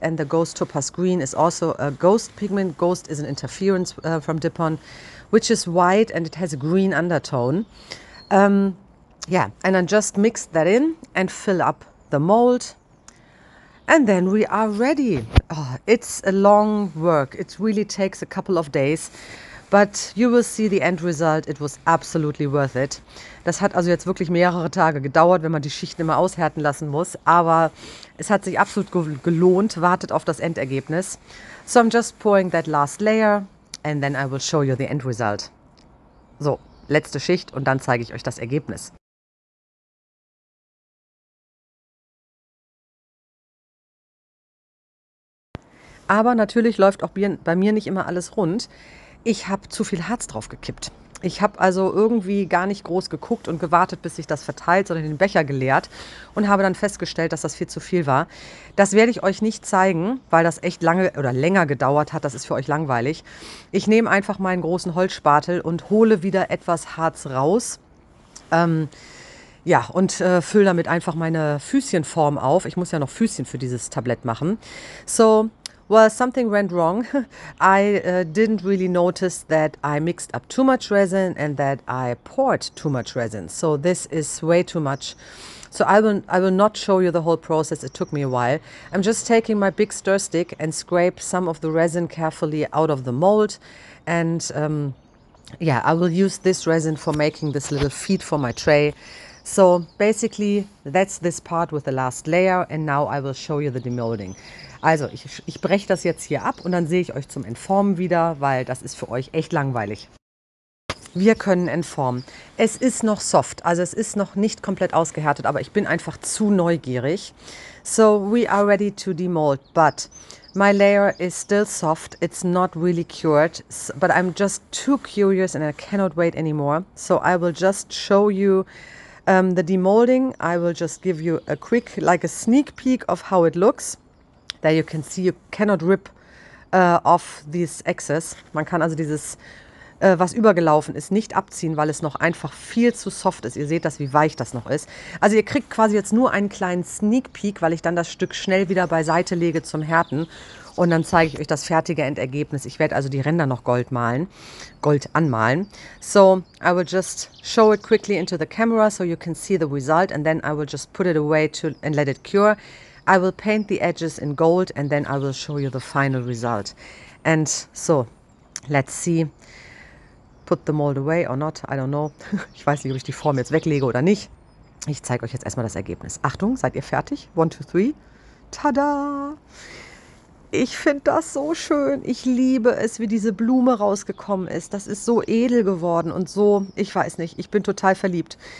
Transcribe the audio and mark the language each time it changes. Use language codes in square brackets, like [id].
[en] And the Ghost Topaz Green is also a ghost pigment. Ghost is an interference from Dippon, which is white and it has a green undertone. Yeah, and I just mixed that in and fill up the mold. And then we are ready. Oh, it's a long work. It really takes a couple of days, but you will see the end result. It was absolutely worth it. [de] Das hat also jetzt wirklich mehrere Tage gedauert, wenn man die Schichten immer aushärten lassen muss. Aber es hat sich absolut gelohnt. Wartet auf das Endergebnis. [en] So I'm just pouring that last layer. And then I will show you the end result. [de] So, letzte Schicht und dann zeige ich euch das Ergebnis. Aber natürlich läuft auch bei mir nicht immer alles rund. Ich habe zu viel Harz drauf gekippt. Ich habe also irgendwie gar nicht groß geguckt und gewartet, bis sich das verteilt, sondern den Becher geleert und habe dann festgestellt, dass das viel zu viel war. Das werde ich euch nicht zeigen, weil das echt lange oder länger gedauert hat. Das ist für euch langweilig. Ich nehme einfach meinen großen Holzspatel und hole wieder etwas Harz raus. Ja, und fülle damit einfach meine Füßchenform auf. Ich muss ja noch Füßchen für dieses Tablett machen. [en] So. Well, something went wrong. I didn't really notice that I mixed up too much resin and that I poured too much resin. So this is way too much. So I will not show you the whole process. It took me a while. I'm just taking my big stir stick and scrape some of the resin carefully out of the mold. And yeah, I will use this resin for making this little feed for my tray. So basically, that's this part with the last layer. And now I will show you the demolding. [de] Also, ich breche das jetzt hier ab und dann sehe ich euch zum Entformen wieder, weil das ist für euch echt langweilig. Wir können entformen. Es ist noch soft, also es ist noch nicht komplett ausgehärtet, aber ich bin einfach zu neugierig. [en] So, we are ready to demold, but my layer is still soft. It's not really cured, but I'm just too curious and I cannot wait anymore. So I will just show you the demolding. I will just give you a quick, like a sneak peek of how it looks. There you can see you cannot rip off this excess. [de] Man kann also dieses, was übergelaufen ist, nicht abziehen, weil es noch einfach viel zu soft ist. Ihr seht das, wie weich das noch ist. Also ihr kriegt quasi jetzt nur einen kleinen Sneak Peek, weil ich dann das Stück schnell wieder beiseite lege zum Härten. Und dann zeige ich euch das fertige Endergebnis. Ich werde also die Ränder noch gold malen, gold anmalen. [en] So, I will just show it quickly into the camera, so you can see the result. And then I will just put it away to and let it cure. I will paint the edges in gold and then I will show you the final result. And so, let's see. Put the mold away or not, I don't know. [de] Ich weiß nicht, ob ich die Form jetzt weglege oder nicht. Ich zeige euch jetzt erstmal das Ergebnis. Achtung, seid ihr fertig? 1, 2, 3. Tada! Ich finde das so schön. Ich liebe es, wie diese Blume rausgekommen ist. Das ist so edel geworden und so, ich weiß nicht, ich bin total verliebt.